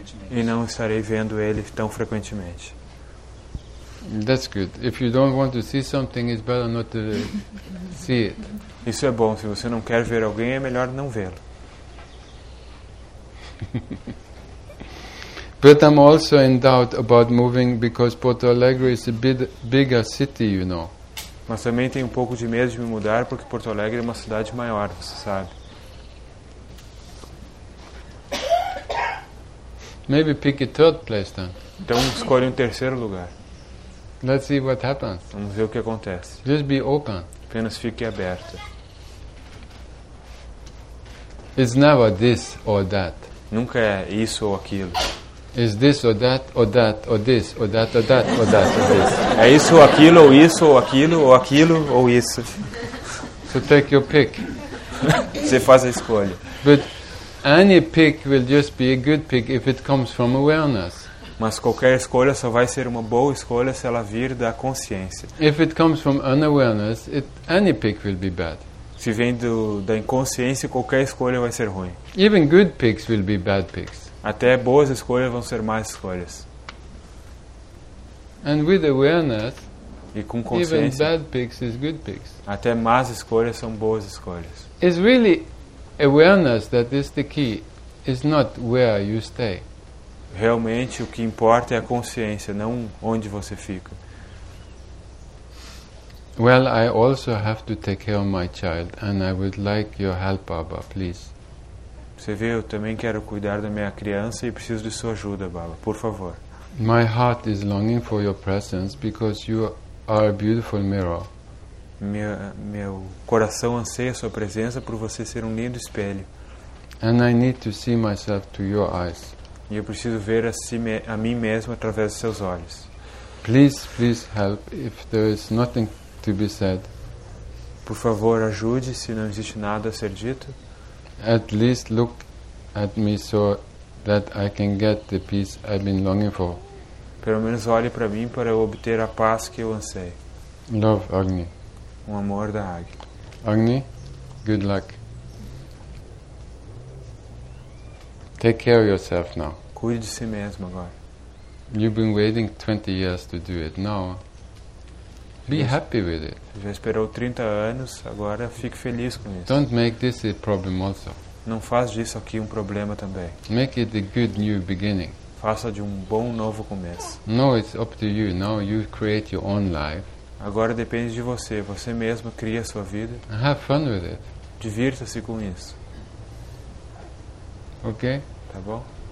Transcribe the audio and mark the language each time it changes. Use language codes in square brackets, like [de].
[pt] E não estarei vendo ele tão frequentemente. [en] That's good. If you don't want to see something, it's better not to see it. [pt] Isso é bom. Se você não quer ver alguém, é melhor não vê-lo. [en] But I'm also in doubt about moving because Porto Alegre is a bigger city, you know. [pt] Mas também tenho um pouco de medo de me mudar porque Porto Alegre é uma cidade maior, você sabe. [en] Maybe pick a third place then. [pt] Então escolhe um terceiro lugar. [en] Let's see what happens. [pt] Vamos ver o que acontece. [en] Just be open. [pt] Apenas fique aberto. [en] It's never this or that. [pt] Nunca é isso ou aquilo. [en] It's this or that or that or this or that or that or that or this. [pt] É isso ou aquilo ou isso ou aquilo ou aquilo ou isso. [en] So take your pick. [pt] Você faz a escolha. [en] But any pick will just be a good pick if it comes from awareness. [pt] Mas qualquer escolha só vai ser uma boa escolha se ela vir da consciência. [en] If it comes from unawareness, any pick will be bad. [pt] Se vem da inconsciência, qualquer escolha vai ser ruim. [en] Even good picks will be bad picks. [pt] Até boas escolhas vão ser más escolhas. [en] And with awareness, [pt] e com consciência, [en] even bad picks is good picks. [pt] Até más escolhas são boas escolhas. [en] It's really awareness that is the key. It's not where you stay. [pt] Realmente, o que importa é a consciência, não onde você fica. [en] Well, I also have to take care of my child, and I would like your help, Baba, please. [pt] Você vê, eu também quero cuidar da minha criança e preciso de sua ajuda, Baba, por favor. [en] My heart is longing for your presence because you are a beautiful mirror. [pt] Meu coração anseia sua presença por você ser um lindo espelho. [en] And I need to see myself through your eyes. [pt] E eu preciso ver a mim mesmo através dos seus olhos. [en] Please, please help if there is nothing to be said. [pt] Por favor, ajude se não existe nada a ser dito. [en] At least look at me so that I can get the peace I've been longing for. [pt] Pelo menos olhe para mim para eu obter a paz que eu anseio. [en] Love, Agni. [pt] Um amor da águia. [en] Agni, good luck. Take care of yourself now. [pt] Cuide de si mesmo agora. [en] You've been waiting 20 years to do it. Now, be happy with it. [pt] Já esperou 30 anos, agora fique feliz com isso. [en] Don't make this a problem also. [pt] Não faz disso aqui problema também. [en] Make it a good new beginning. [pt] Faça de bom novo começo. [en] No, it's up to you. Now you create your own life. [pt] Agora depende de você. Você mesmo cria a sua vida. [en] Have fun with it. [pt] Divirta-se com isso. [en] Ok? [pt] Tá bom?